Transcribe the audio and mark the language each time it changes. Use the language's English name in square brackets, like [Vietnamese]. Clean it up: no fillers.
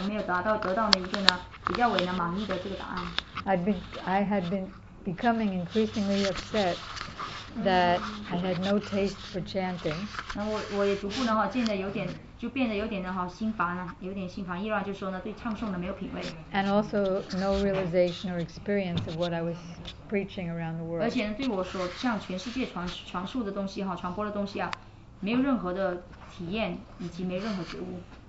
[Chinese] 那么当时呢，我见了姑姑的时候呢，我就问他一个问题，说我跟我的好兄兄弟咨询过，就是他在做的事情，但是呢，从没有得到一个呢比较为呢满意的这个答案。 [English] I'd been becoming increasingly upset that I had no taste for chanting. [Chinese] 那我也逐步呢哈，见得有点就变得有点呢哈心烦了，有点心烦意乱，就说呢对唱诵的没有品味。 [English] And also no realization or experience of what I was preaching around the world. [Chinese] 而且呢，对我所向全世界传述的东西哈，传播的东西啊，没有任何的体验，以及没任何觉悟。